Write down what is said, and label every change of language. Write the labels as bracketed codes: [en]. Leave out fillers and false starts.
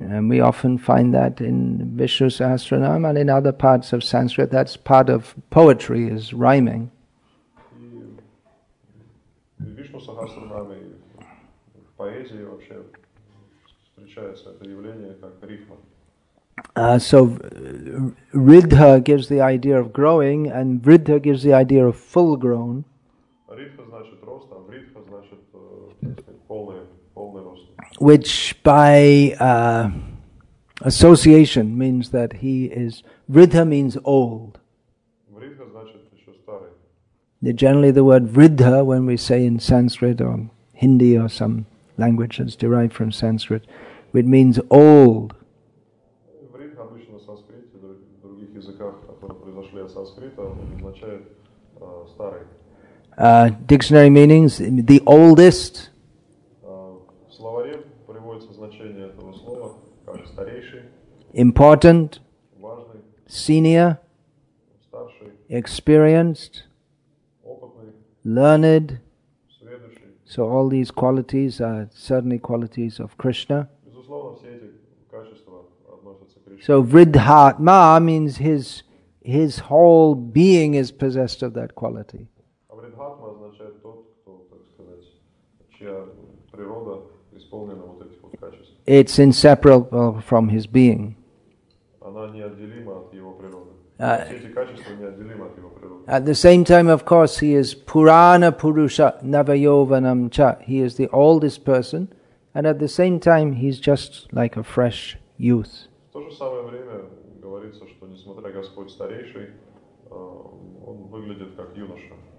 [en] And we often find that in Vishnu Sahasranam and in other parts of Sanskrit. That's part of poetry, is rhyming. [ru] И в Вишну Сахасранаме, в поэзии вообще встречается это явление как рифма. [en] So Ridha gives the idea of growing, and Vridha gives the idea of full grown. [ru] Ridha значит рост, а Vridha значит полный. [en] which by association means that he is, vridha means old. [ru] Vridha значит еще старый. [en] Generally the word vridha, when we say in Sanskrit or Hindi or some language that's derived from Sanskrit, it means old. [ru] Vridha обычно в санскрите, в других языках, которые произошли от санскрита, означает старый. [en] Dictionary meanings, the oldest. [ru] В словаре приводится значение этого слова как старейший. [en] Important. [ru] Важный. [en] Senior. [ru] Старший. [en] Experienced. [ru] Опытный. [en] Learned. [ru] Сведущий. [en] So all these qualities are certainly qualities of Krishna. [ru] Безусловно, все эти качества относятся к Кришне. [en] So Vridhatma means his whole being is possessed of that quality. [ru] Vridhatma означает тот, кто, так сказать, чья природа исполнена вот этих вот качеств. [en] It's inseparable from his being. [ru] Она неотделима от его природы. Все эти качества неотделимы от его природы. [en] At the same time, of course, he is [sa] Purana Purusha Navayovanam Cha. [en] He is the oldest person, and at the same time, he's just like a fresh youth. [ru] В то же самое время говорится, что несмотря Господь старейший, он выглядит как юноша.